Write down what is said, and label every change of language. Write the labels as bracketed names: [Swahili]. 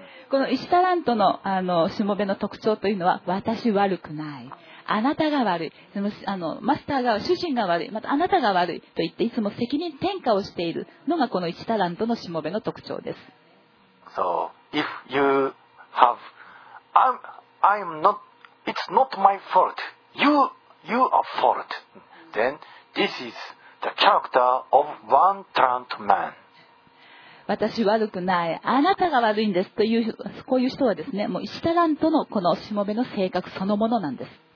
[Japanese] この一タラントのしもべの特徴というのは、私悪くない。あなたが悪い、マスターが主人が悪い、またあなたが悪いと言っていつも責任転嫁をしているのがこの一タラントのしもべの特徴です。 [English] So if you have I'm not, it's not my fault, you are fault, then this is the character of one talent man。 [Japanese] 私悪くない、あなたが悪いんですという、こういう人はですね、もう一タラントのこのしもべの性格そのものなんです。